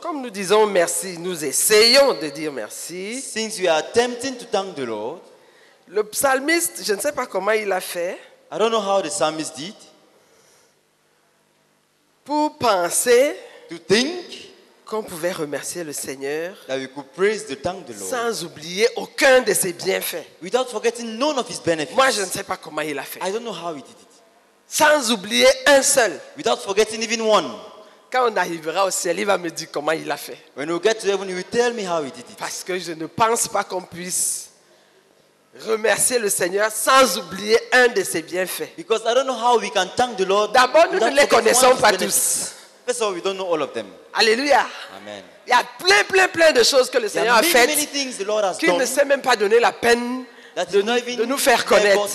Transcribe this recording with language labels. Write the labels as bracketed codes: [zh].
[fr] comme nous disons merci, nous essayons de dire merci, [en] since we are attempting to thank the Lord, [fr] le psalmiste, je ne sais pas comment il a fait, [en] I don't know how the psalmist did, [fr] pour penser, [en] to think, [fr] qu'on pouvait remercier le Seigneur, [en] that we could praise the thank the Lord, [fr] sans oublier aucun de ses bienfaits, [en] without forgetting none of his benefits. [fr] Moi, je ne sais pas comment il a fait. [en] I don't know how he did it. [fr] Sans oublier un seul. [en] Without forgetting even one. [fr] Quand on arrivera au ciel, il va me dire comment il a fait. [en] When we get to heaven, he will tell me how he did it. [fr] Parce que je ne pense pas qu'on puisse remercier le Seigneur sans oublier un de ses bienfaits. [en] Because I don't know how we can thank the Lord. [fr] D'abord, nous ne les connaissons pas tous. [en] First of all, we don't know all of them. Alléluia. Amen. [fr] Il y a plein de choses que le Seigneur a faites. [en] Many things the Lord has done. [fr] Qu'il ne s'est même pas donné la peine de nous faire connaître.